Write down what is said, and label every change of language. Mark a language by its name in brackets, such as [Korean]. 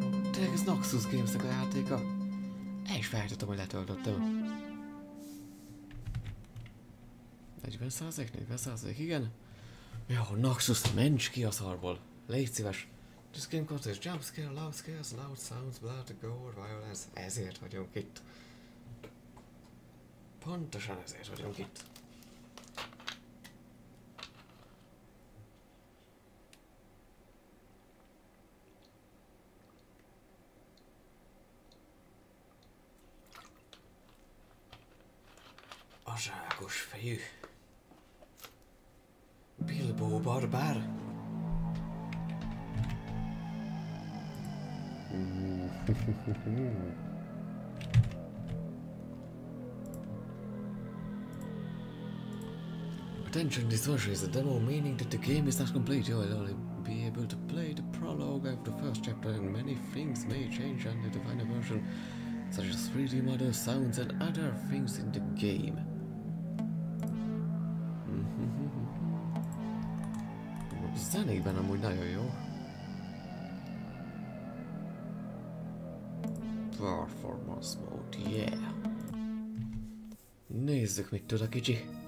[Hungarian] Tényleg ez Noxus Games-nek a játéka. El is felejtettem, hogy letöltöttem. 40%? 40%? Igen. Jó, Noxus, ments ki a szarból! Légy szíves! [English] This game causes jump scare, loud scares, loud sounds, blood, gore, violence. [Hungarian] Ezért vagyunk itt. Pontosan ezért vagyunk itt. A zsákos fejű. Bilbo barbár. [English] Attention, this version is a demo, meaning that the game is not complete. You will only be able to play the prologue of the first chapter, and many things may change under the final version, such as 3D models, sounds, and other things in the game. [Hungarian] Zenékben amúgy nagyon jó. [English] Performance mode, yeah! [Hungarian] Nézzük, mit tud a kicsi.